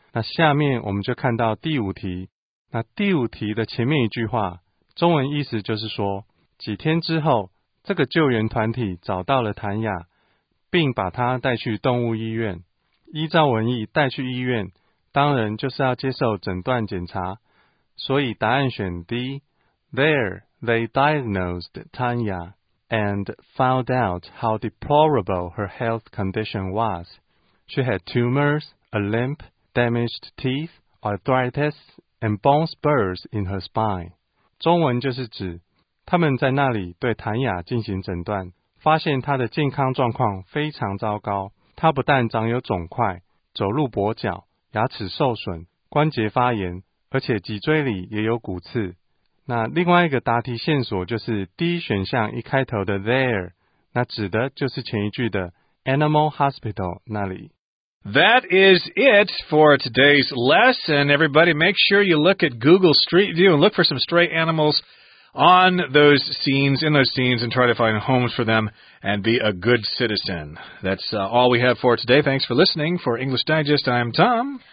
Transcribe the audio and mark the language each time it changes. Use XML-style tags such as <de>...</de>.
<zh>那下面我们就看到第五题。那第五题的前面一句话中文意思就是说，几天之后这个救援团体找到了谭雅，并把他带去动物医院。依照文意，带去医院当然就是要接受诊断检查，所以答案选 D。</zh> <en>There they diagnosed Tanya and found out how deplorable her health condition was. She had tumors, a lymph, damaged teeth, arthritis, and bone spurs in her spine.</en> <zh>中文就是指他们在那里对谭雅进行诊断，发现她的健康状况非常糟糕。她不但长有肿块，走路跛脚，牙齿受损，关节发炎，而且脊椎里也有骨刺。那另外一个答题线索就是第一选项一开头的 there， 那指的就是前一句的</zh> <en>animal hospital</en> <zh>那里。</zh> <en>That is it for today's lesson. Everybody, make sure you look at Google Street View and look for some stray animals on those scenes, in those scenes, and try to find homes for them and be a good citizen. That's all we have for today. Thanks for listening. For English Digest, I'm Tom.</en>